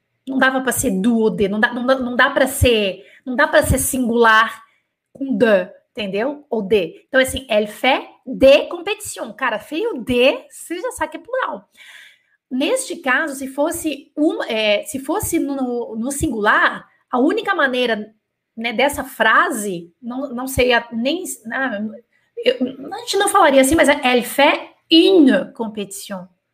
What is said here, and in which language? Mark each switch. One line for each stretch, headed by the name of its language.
Portuguese: Não dava para ser do ou de, não dá para ser singular com de. Entendeu? Ou de. Então, assim,
French: elle fait des compétitions.
Portuguese: Cara, feio de, você já sabe que é plural. Neste caso, se fosse no singular, a única maneira, né, dessa frase, não seria nem. Não, a gente não falaria assim, mas é
French: elle fait une compétition.